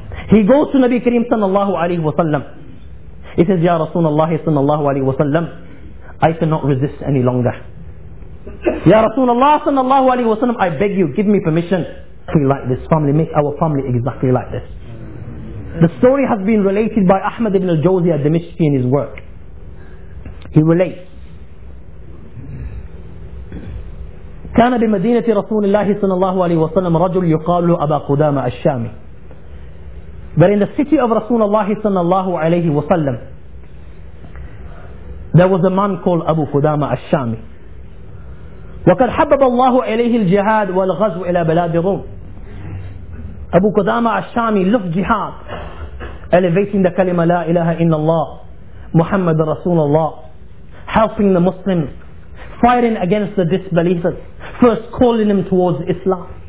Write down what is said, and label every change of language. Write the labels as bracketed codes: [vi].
[en] He goes to Nabi Kareem sallallahu alayhi wa sallam. He says, Ya Rasulullah sallallahu alayhi wa sallam, I cannot resist any longer. Ya Rasulullah sallallahu alayhi wa sallam, I beg you, give me permission to be like this family, make our family exactly like this. The story has been related by Ahmad ibn al-Jawzi al-Dimishki in his work. He relates, [ar] كان بمدينة رسول الله صلى الله عليه وسلم رجل يقال له أبا قدامة الشامي. [en] But in the city of Rasulullah صلى الله عليه وسلم, there was a man called Abu قدامة الشامي. [ar] وقد حبب الله إليه الجهاد والغزو إلى بلاد الروم. [en] Abu قدامة الشامي loved jihad, elevating the kalima [ar] لا إله إلا الله محمد رسول الله, [en] helping the Muslims, fighting against the disbelievers, first calling him towards Islam.